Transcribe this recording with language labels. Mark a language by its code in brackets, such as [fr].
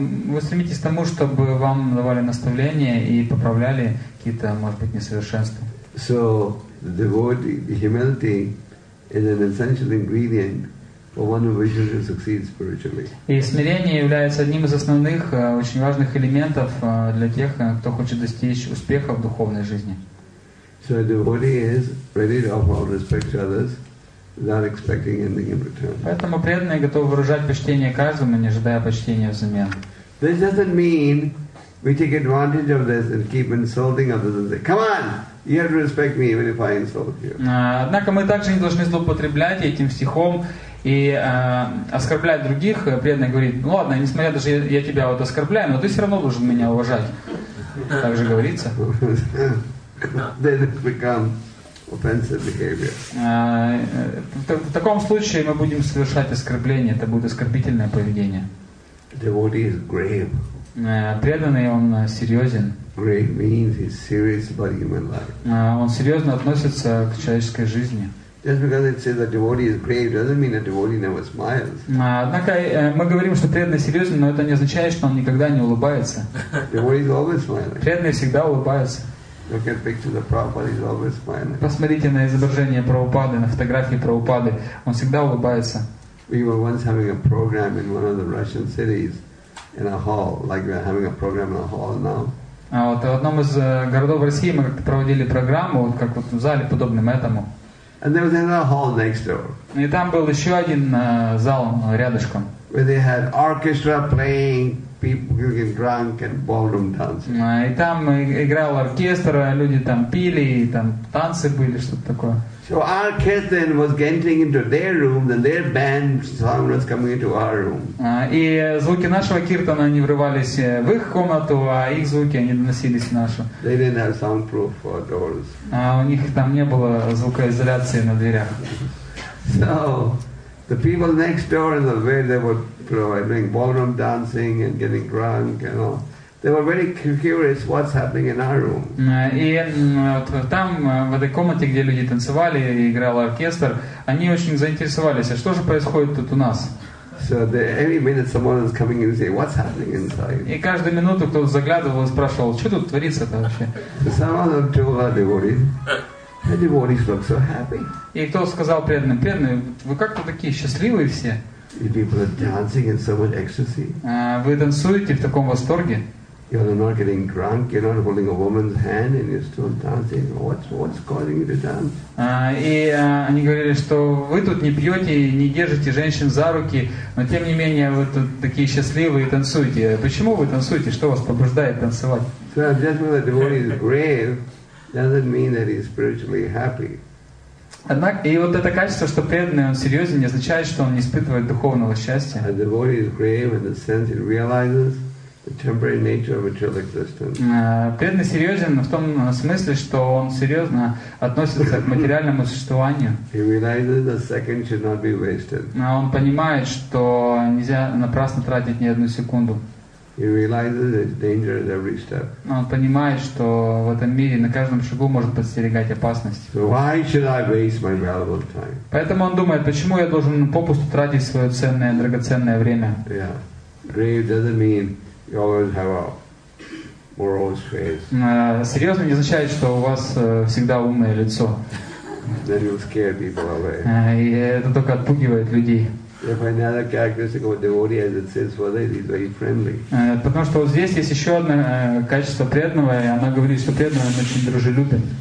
[ru] Вы стремитесь к тому, чтобы вам давали наставления и поправляли какие-то, может быть, несовершенства. [en] So the word humility is an essential ingredient for one who wishes to succeed spiritually. [ru] И смирение является одним из основных, очень важных элементов для тех, кто хочет достичь успеха в духовной жизни. [en] So a devotee is ready to offer all respect to others. Not expecting anything in return. [ru] Поэтому преданные готовы выражать почтение каждому, не ожидая почтения взамен. [en] This doesn't mean we take advantage of this and keep insulting others and say, "Come on, you have to respect me even if I insult you." [ru] Однако мы также не должны злоупотреблять этим стихом и оскорблять других. Преданный говорит: "Ну ладно, несмотря даже я тебя вот оскорбляю, но ты все равно должен меня уважать." Так же говорится. [en] Then it becomes offensive behavior. [ru] В таком случае мы будем совершать оскорбление, это будет оскорбительное поведение. [en] Devotee is grave. [ru] Преданный, он серьезен. [en] Grave means he's serious about human life. [ru] Он серьезно относится к человеческой жизни. [en] Just because it says that devotee is grave doesn't mean that devotee never smiles. [ru] Однако мы говорим, что преданный серьезен, но это не означает, что он никогда не улыбается. [en] Devotee is always smiling. [ru] Преданный всегда улыбается. [en] Look at picture of the Prabhupada, he's always smiling. [ru] Посмотрите на изображение Прабхупады, на фотографии Прабхупады. Он всегда улыбается. [en] We were once having a program in one of the Russian cities in a hall, like we're having a program in a hall now. [ru] А вот в одном из городов России мы как-то проводили программу, вот как вот в зале подобном этому. [en] And there was another hall next door. [ru] И там был еще один зал рядышком. [en] Where they had orchestra playing. People get drunk and ballroom dancing. [ru] И там играл оркестр, люди там пили, и там танцы были, что-то такое. [en] So our kids then was getting into their room, then their band song was coming into our room. [ru] И звуки нашего киртана они врывались в их комнату, а их звуки они доносились в нашу. [en] They didn't have soundproof doors. [ru] У них там не было звукоизоляции на дверях. [en] So the people next door in the way they were providing ballroom dancing and getting drunk and all. They were very curious what's happening in our room. [ru] И там, в этой комнате, где люди танцевали и играл оркестр, они очень заинтересовались, а что же происходит тут у нас? [en] So every minute someone is coming in and saying, what's happening inside? [ru] И каждую минуту кто-то заглядывал и спрашивал, что тут творится-то вообще? [en] Some of them told our devotees. The devotees look so happy. [ru] И кто сказал преданным, преданные, вы как-то такие счастливые все. [en] You people are dancing in so much ecstasy. [ru] Вы танцуете в таком восторге. [en] You're not getting drunk, you're not holding a woman's hand and you're still dancing. What's causing you to dance? [ru] Они говорили, что вы тут не пьете, не держите женщин за руки, но тем не менее вы тут такие счастливые и танцуете. Почему вы танцуете? Что вас побуждает танцевать? [en] So just because the devotee is grave, doesn't mean that he's spiritually happy. [ru] Однако, и вот это качество, что преданный, он серьезен, не означает, что он не испытывает духовного счастья. [en] A devotee is grave in the sense he realizes the temporary nature of material existence. [ru] Преданный серьезен в том смысле, что он серьезно относится к материальному существованию. [en] He realizes the second should not be wasted. [ru] Он понимает, что нельзя напрасно тратить ни одну секунду. [en] He realizes that danger at every step. [ru] Он понимает, что в этом мире на каждом шагу может подстерегать опасность. [en] So why should I waste my valuable time? [ru] Поэтому он думает, почему я должен попусту тратить свое ценное, драгоценное время? [en] Yeah, grave doesn't mean you always have a morose face. [ru] Серьезно не означает, что у вас всегда умное лицо. [en] That you scare people away. [ru] И это только отпугивает людей. [en] If another characteristic of a devotee, as it says, whether he's very friendly. [ru] Потому что здесь есть еще одно качество преданного, и она говорит, что преданный очень дружелюбен.